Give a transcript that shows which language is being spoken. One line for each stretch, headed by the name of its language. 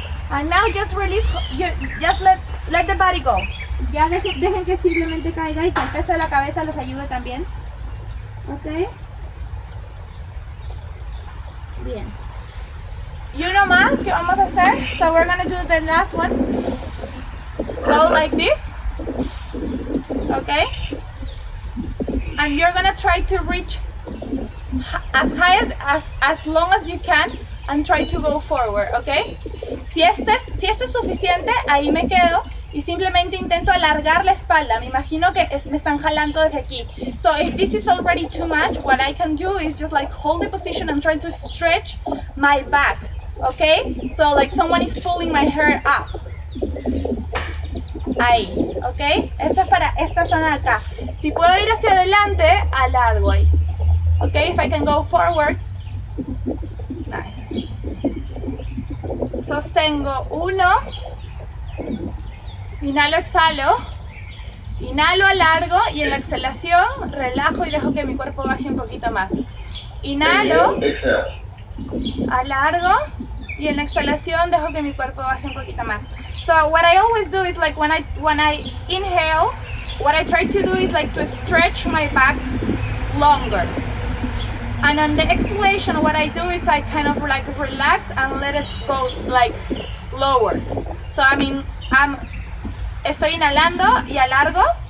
English: And now just release, just let the body go.
Spanish: Ya dejen que simplemente caiga y que el peso de la cabeza los ayude también.
English: Okay.
Spanish: Bien. Y uno más que vamos a hacer.
English: So we're gonna do the last one. Go like this. Okay. And you're gonna try to reach as high as long as you can and try to go forward, okay?
Spanish: Si esto es suficiente, ahí me quedo y simplemente intento alargar la espalda. Me imagino que me están jalando desde aquí.
English: So if this is already too much, what I can do is just like hold the position and try to stretch my back, okay? So like someone is pulling my hair up.
Spanish: Ahí,
English: ¿ok?
Spanish: Esto es para esta zona de acá. Si puedo ir hacia adelante, alargo ahí. ¿Ok?
English: If I can go forward. Nice.
Spanish: Sostengo. Uno. Inhalo, exhalo. Inhalo, alargo. Y en la exhalación, relajo y dejo que mi cuerpo baje un poquito más. Inhalo. Exhalo. Alargo. Y en la exhalación, dejo que mi cuerpo baje un poquito más.
English: So what I always do is like when I inhale, what I try to do is like to stretch my back longer. And on the exhalation, what I do is I kind of like relax and let it go like lower. So I mean,
Spanish: estoy inhalando y alargo.